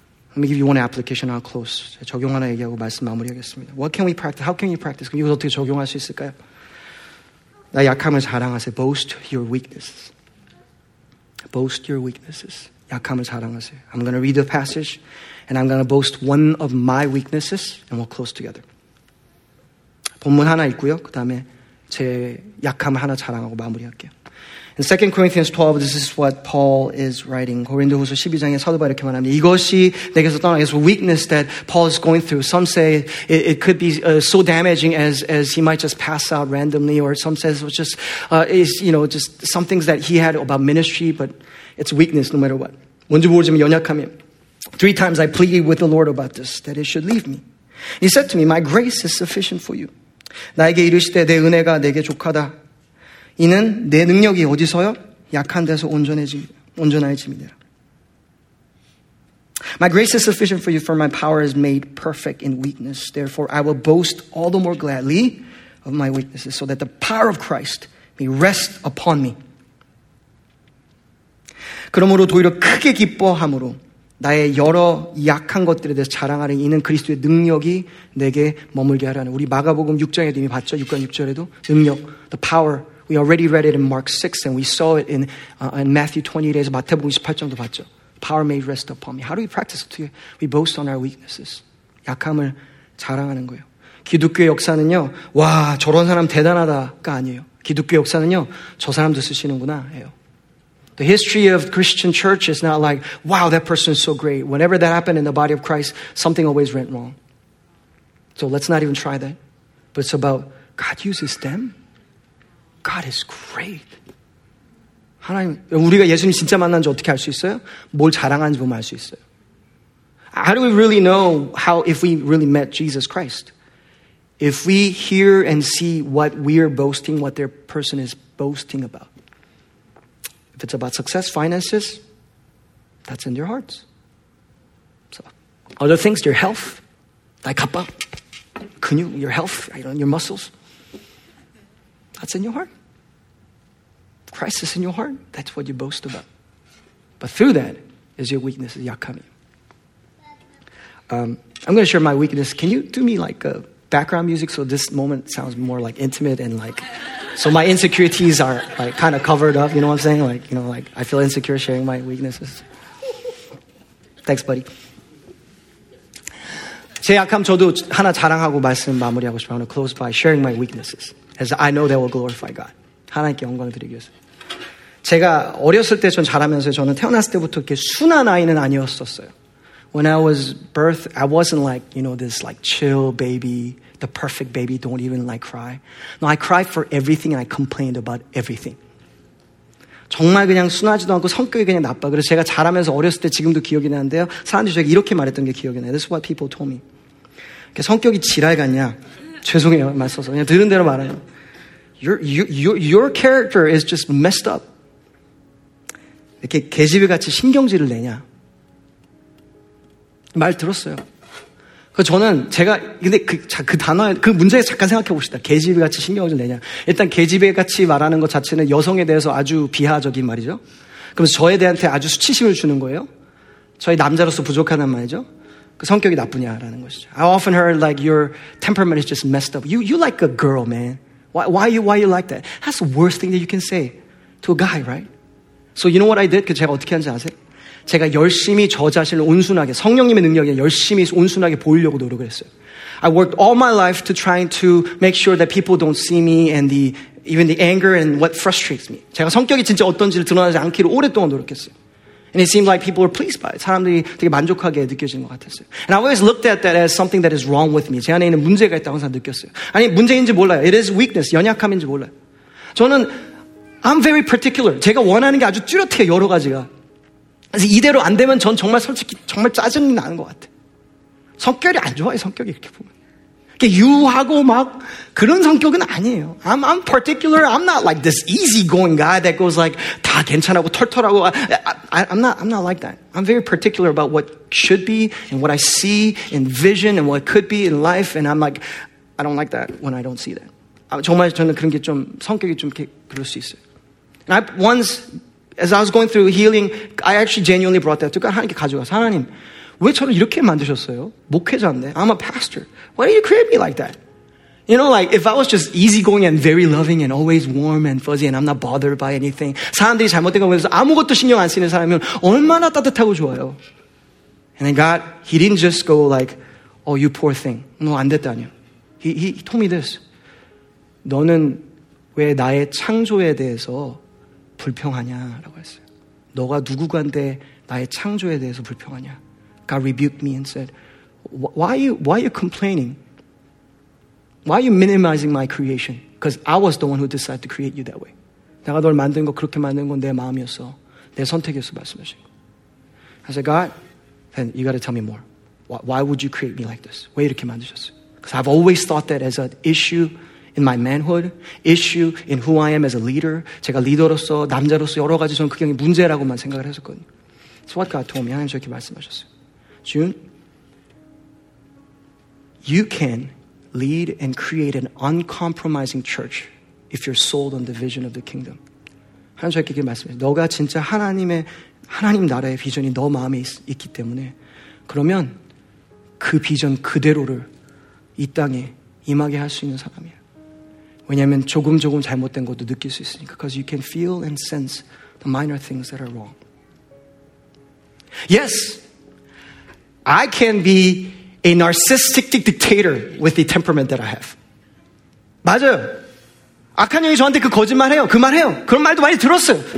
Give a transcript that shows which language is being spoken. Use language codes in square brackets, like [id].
[en] Let me give you one application on close. [ko] 적용 하나 얘기하고 말씀 마무리하겠습니다. [en] What can we practice? How can you practice? [ko] 그럼 이걸 어떻게 적용할 수 있을까요? 나 약함을 자랑하세요. [en] Boast your weaknesses. Boast your weaknesses. [ko] 약함을 자랑하세요. [en] I'm going to read the passage and I'm going to boast one of my weaknesses and we'll close together. [ko] 본문 하나 읽고요. 그 다음에 제 약함을 하나 자랑하고 마무리할게요. [en] In 2 Corinthians 12, this is what Paul is writing. [ko] 고린도후서 12장에 사도바 이렇게 말합니다. 이것이 내게서 떠나. [en] It's a weakness that Paul is going through. Some say it could be so damaging as he might just pass out randomly, or some says it was just, just some things that he had about ministry, but it's weakness no matter what. [ko] 뭔지 모르지만 연약함이에요. [en] Three times I pleaded with the Lord about this, that it should leave me. He said to me, my grace is sufficient for you. [ko] 나에게 이르시되 내 은혜가 내게 족하다. 이는 내 능력이 어디서요? 약한 데서 온전해짐이라. [en] My grace is sufficient for you, for my power is made perfect in weakness. Therefore, I will boast all the more gladly of my weaknesses, so that the power of Christ may rest upon me. [ko] 그러므로 도리어 크게 기뻐함으로 나의 여러 약한 것들에 대해서 자랑하는 이는 그리스도의 능력이 내게 머물게 하라는. 우리 마가복음 6장에도 이미 봤죠? 6장 6절에도 능력, the power. [en] We already read it in Mark 6, and we saw it in Matthew 28. [ko] 마태복음 28장도 봤죠. [en] Power may rest upon me. How do we practice it? We boast on our weaknesses. [ko] 약함을 자랑하는 거예요. 기독교 역사는요. 와, 저런 사람 대단하다가 아니에요. 기독교 역사는요. 저 사람도 쓰시는구나 해요. [en] The history of Christian church is not like, wow, that person is so great. Whenever that happened in the body of Christ, something always went wrong. So let's not even try that. But it's about God uses them. God is great. [ko] 하나님, 우리가 예수님 진짜 만난지 어떻게 알 수 있어요? 뭘 자랑하는지 보면 알 수 있어요. [en] How do we really know how if we really met Jesus Christ? If we hear and see what we are boasting, what their person is boasting about. If it's about success, finances, that's in their hearts. So, other things, your health, [ko] 나의 갑바, 근육, [en] your health, your muscles, that's in your heart. Christ is in your heart. That's what you boast about. But through that is your weakness, is 약함이. I'm going to share my weakness. Can you do me like a background music so this moment sounds more like intimate and like... So my insecurities are like kind of covered up, you know what I'm saying? Like, you know, like I feel insecure sharing my weaknesses. Thanks, buddy. [ko] 제 약함 저도 하나 자랑하고 말씀 마무리하고 싶어요. [en] I'm going to close by sharing my weaknesses. As I know that will glorify God. [ko] 하나님께 영광을 드리기 위해서. 제가 어렸을 때 전 자라면서 저는 태어났을 때부터 이렇게 순한 아이는 아니었었어요. [en] When I was birthed, I wasn't like, you know, this like chill baby. The perfect baby, don't even like cry. No, I cried for everything and I complained about everything. [ko] 정말 그냥 순하지도 않고 성격이 그냥 나빠. 그래서 제가 자라면서 어렸을 때 지금도 기억이 나는데요. 사람들이 저에게 이렇게 말했던 게 기억이 나요. [en] This is what people told me. [ko] 그러니까 성격이 지랄 같냐? 죄송해요, 말 써서. 그냥 들은 대로 말아요. [en] Your character is just messed up. [ko] 이렇게 개집이같이 신경질을 내냐? 말 들었어요. 저는 제가 근데 그 단어에 그 문제에 잠깐 생각해 봅시다. 개집애 같이 신경을 좀 내냐. 일단 개집애 같이 말하는 것 자체는 여성에 대해서 아주 비하적인 말이죠. 그럼 저에 대한테 아주 수치심을 주는 거예요. 저희 남자로서 부족하단 말이죠. 그 성격이 나쁘냐라는 것이죠. [en] I often heard like your temperament is just messed up. You like a girl, man. Why you like that? That's the worst thing that you can say to a guy, right? So you know what I did? [ko] 그 제가 어떻게 하는지 아세요? 제가 열심히 저 자신을 온순하게 성령님의 능력에 열심히 온순하게 보이려고 노력을 했어요. [en] I worked all my life to trying to make sure that people don't see me and the even the anger and what frustrates me. [ko] 제가 성격이 진짜 어떤지를 드러나지 않기를 오랫동안 노력했어요. [en] And it seemed like people were pleased by it. [ko] 사람들이 되게 만족하게 느껴지는 것 같았어요. [en] And I always looked at that as something that is wrong with me. [ko] 제 안에 있는 문제가 있다고 항상 느꼈어요. 아니 문제인지 몰라요. [en] It is weakness. [ko] 연약함인지 몰라요. 저는 [en] I'm very particular. [ko] 제가 원하는 게 아주 뚜렷해요. 여러 가지가. 그래서 이대로 안 되면 전 정말 솔직히 정말 짜증이 나는 것 같아. 성격이 안 좋아요, 성격이 이렇게 보면. 이렇게 유하고 막 그런 성격은 아니에요. [en] I'm particular. I'm not like this easygoing guy that goes like [ko] 다 괜찮아고 털털하고. [en] I'm not like that. I'm very particular about what should be and what I see in vision and what could be in life. And I'm like, I don't like that when I don't see that. [ko] 정말 저는 그런 게 좀 성격이 좀 그럴 수 있어요. [en] And I once... As I was going through healing, I actually genuinely brought that to God. [ko] 하나님께 가져가서, 하나님, 왜 저를 이렇게 만드셨어요? 목회자인데, [en] I'm a pastor. Why did you create me like that? You know, like, if I was just easygoing and very loving and always warm and fuzzy and I'm not bothered by anything, [ko] 사람들이 잘못된 거 보면서 아무것도 신경 안 쓰는 사람이면 얼마나 따뜻하고 좋아요. [en] And then God, he didn't just go like, oh, you poor thing. No, [ko] 안 됐다니요. [en] He told me this. [ko] 너는 왜 나의 창조에 대해서 불평하냐라고 했어요. 너가 누구간데 나의 창조에 대해서 불평하냐. [en] God rebuked me and said, why are you complaining? Why are you minimizing my creation? Because I was the one who decided to create you that way. [ko] 내가 널 만든 거 그렇게 만든 건 내 마음이었어. 내 선택이었어 말씀하신 거. [en] I said, God, then you got to tell me more. Why would you create me like this? [ko] 왜 이렇게 만드셨어? [en] Because I've always thought that as an issue in my manhood, issue in who I am as a leader. [ko] 제가 리더로서, 남자로서 여러 가지 저는 그게 문제라고만 생각을 했었거든요. [en] So what God told me, [ko] 하나님 저렇게 말씀하셨어요. [en] June, you can lead and create an uncompromising church if you're sold on the vision of the kingdom. [ko] 하나님 저렇게 말씀하셨어요. 너가 진짜 하나님 나라의 비전이 너 마음에 있기 때문에 그러면 그 비전 그대로를 이 땅에 임하게 할 수 있는 사람이야. 왜냐하면 조금 조금 잘못된 것도 느낄 수 있으니까. [en] Because you can feel and sense the minor things that are wrong. Yes, I can be a narcissistic dictator with the temperament that I have. [ko] 맞아요. 악한 영이 저한테 그 거짓말 해요. 그 말 해요. 그런 말도 많이 들었어요.